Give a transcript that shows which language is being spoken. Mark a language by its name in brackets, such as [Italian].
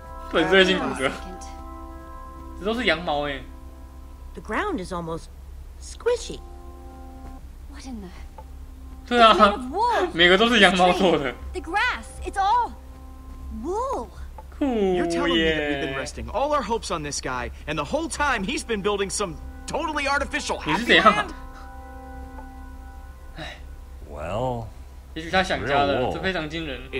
[Chinese] 粉碎性骨折，这都是羊毛哎、欸。 [English] The ground is almost squishy. What in the? [Chinese] 对啊，每个都是羊毛做的。 [English] The grass, it's all wool. Cool. You're telling me that we've been resting all our hopes on this guy, and the whole time he's been building some totally artificial happy land. [Chinese] 你是怎样？ [English] Well. [Chinese] 也许他想家了，这非常惊人。